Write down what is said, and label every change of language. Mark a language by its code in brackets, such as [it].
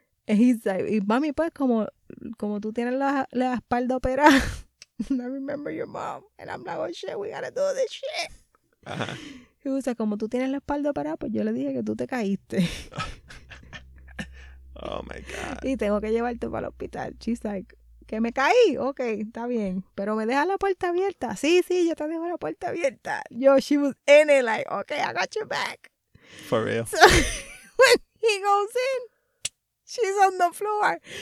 [en] And he's like, [es] y mami, pues, como tú tienes la espalda operada. [en] I remember your mom. And I'm like, oh, shit, we gotta do this shit. Uh-huh. He was like, [es] como tú tienes la espalda operada, pues yo le dije que tú te caíste. [en] Oh, my God. [es] Y tengo que llevarte para el hospital. [en] She's like, [es] que me caí. Ok, está bien. Pero me deja la puerta abierta. Sí, sí, yo te dejo la puerta abierta. [en] Yo, she was in it like, ok, I got your back. For real. So, when he goes in, she's on the floor.